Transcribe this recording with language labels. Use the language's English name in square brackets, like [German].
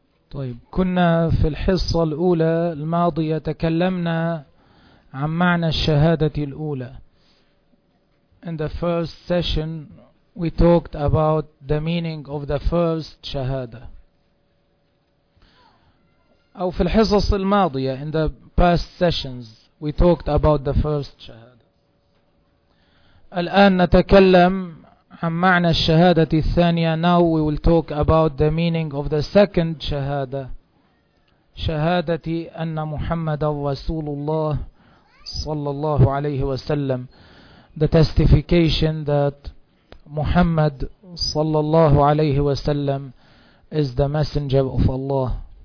[Arabic] طيب، كنا في الحصة الأولى الماضية تكلمنا عن معنى الشهادة الأولى. [English] In the first session we talked about the meaning of the first shahada. [Arabic] أو في الحصص الماضية [English] in the past sessions we talked about the first shahada. [Arabic] الآن نتكلم عن معنى الشهادة الثانية. [English] Now we will talk about the meaning of the second shahada. [Arabic] شهادة أن محمد رسول الله صلى الله عليه وسلم. [English] The testification that Muhammad صلى الله عليه وسلم is the messenger of Allah.